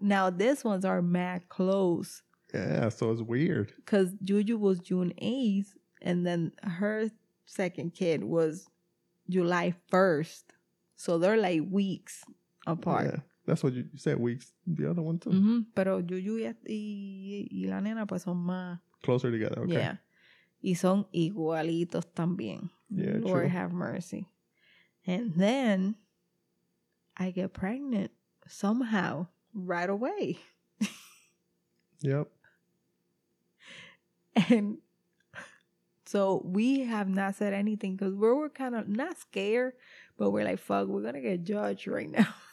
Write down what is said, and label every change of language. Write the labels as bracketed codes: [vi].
[en] Now, this ones are mad close. Yeah, so it's weird. Because Juju was June 8th, and then her second kid was July 1st. So they're like weeks apart. Yeah, that's what you said, weeks. The other one too. Mm-hmm. [es] Pero Juju y la nena pues son más... [en] Closer together, okay. Yeah. [es] Y son igualitos también. [en] Yeah, Lord true. Have mercy. And then I get pregnant somehow right away. Yep. And so we have not said anything because we're kind of not scared, but we're like, fuck, we're going to get judged right now.